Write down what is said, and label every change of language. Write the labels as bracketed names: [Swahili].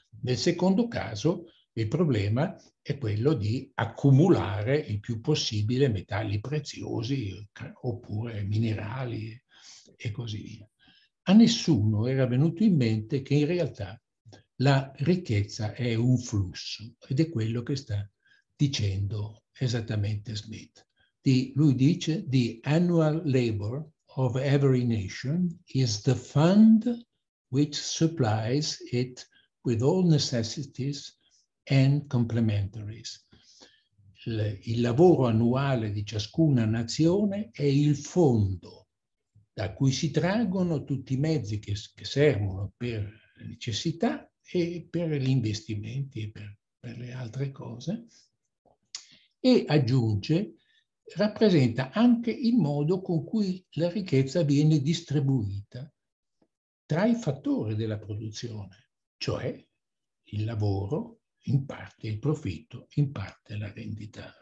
[Italian] Nel secondo caso il problema è quello di accumulare il più possibile metalli preziosi oppure minerali e così via. A nessuno era venuto in mente che in realtà la ricchezza è un flusso, ed è quello che sta dicendo esattamente Smith. Lui dice: [English] the annual labor of every nation is the fund which supplies it with all necessities and complementaries. [Italian] Il lavoro annuale di ciascuna nazione è il fondo da cui si traggono tutti i mezzi che servono per necessità e per gli investimenti e per per le altre cose, e aggiunge, rappresenta anche il modo con cui la ricchezza viene distribuita tra i fattori della produzione, cioè il lavoro, in parte il profitto, in parte la rendita.